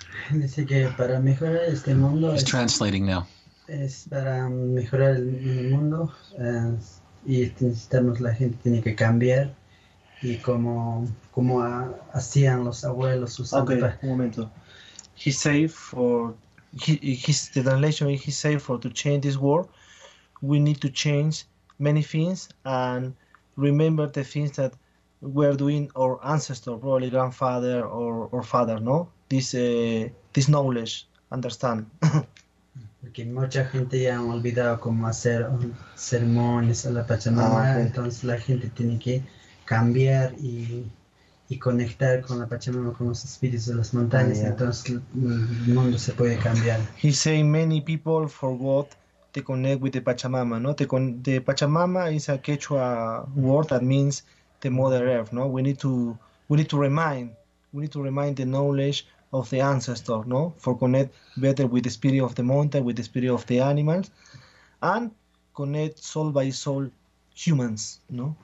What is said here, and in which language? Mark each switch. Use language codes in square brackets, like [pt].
[es] Dice que para mejorar este mundo. [en] He's translating now. [es] Es para mejorar el mundo. Y necesitamos, la gente tiene que cambiar y como hacían los abuelos sus okay, un momento. [en] He said to change this world, we need to change many things and remember the things that we're doing our ancestor, probably grandfather or father, no? This knowledge, understand. Okay. [es] porque mucha gente ya ha olvidado cómo hacer sermones a la Pachamama, entonces la gente tiene que cambiar y conectar con la Pachamama, con los espíritus de las montañas, entonces el mundo se puede cambiar. [en] He say many people forgot to connect with the Pachamama, no? The Pachamama is a Quechua word that means the Mother Earth, no? We need to remind the knowledge of the ancestor, no? For connect better with the spirit of the mountain, with the spirit of the animals, and connect soul by soul humans, no?